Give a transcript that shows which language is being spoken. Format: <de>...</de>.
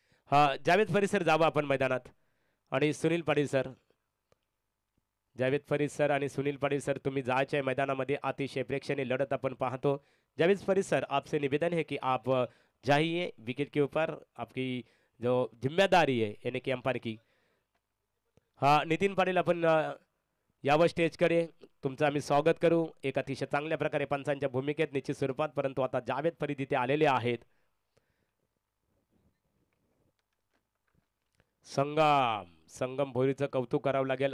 <mr>हा जावेद फरी सर जावं आपण मैदानात आणि सुनील पाटील सर जावेद फरी सर आणि सुनील पाटील सर तुम्ही जायचे मैदानामध्ये अतिशय प्रेक्षणीय लढत आपण पाहतो।</mr> <hi>जावेद फरी सर आपसे निवेदन है कि आप जाइए विकेट के ऊपर आपकी जो जिम्मेदारी है यानी कि अंपायर की।</hi> <mr>हा नितीन पाटील आपण यावर स्टेजकडे तुमचं आम्ही स्वागत करू एक अतिशय चांगल्या प्रकारे पंचांच्या भूमिकेत निश्चित स्वरूपात। परंतु आता जावेद फरी तिथे आलेले आहेत संगम संगम भोईरचं कौतुक करावं लागेल।</mr>